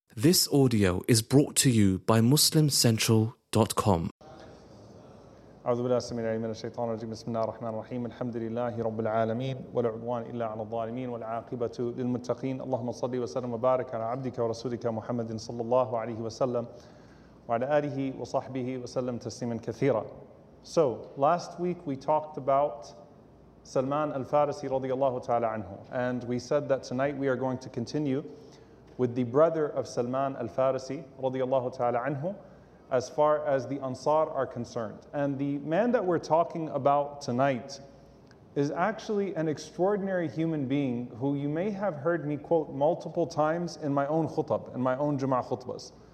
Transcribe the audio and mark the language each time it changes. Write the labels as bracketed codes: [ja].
[en] This audio is brought to you by MuslimCentral.com. [ar] أعوذ بالله السميع العليم من الشيطان الرجيم بسم الله الرحمن الرحيم الحمد لله رب العالمين ولا عدوان إلا على الظالمين والعاقبة للمتقين اللهم صل وسلم وبارك على عبدك ورسولك محمد صلى الله عليه وسلم وعلى آله وصحبه وسلم تسليما كثيرا. [en] So last week we talked about Salman al-Farisi رضي الله تعالى عنه, and we said that tonight we are going to continue with the brother of Salman al-Farisi رضي الله تعالى عنه as far as the Ansar are concerned. And the man that we're talking about tonight is actually an extraordinary human being who you may have heard me quote multiple times in my own khutab, in my own Jum'ah khutbas.